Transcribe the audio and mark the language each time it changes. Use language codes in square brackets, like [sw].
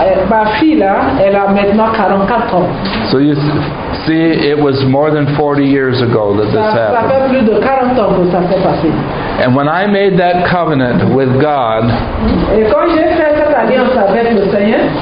[fr] Ma fille là, elle a maintenant 44 ans. [en] So you see, it was more than 40 years ago that this happened. [fr] Ça fait plus de 40 ans que ça s'est passé. [en] And when I made that covenant with God, [fr] et quand j'ai fait cette alliance avec le Seigneur,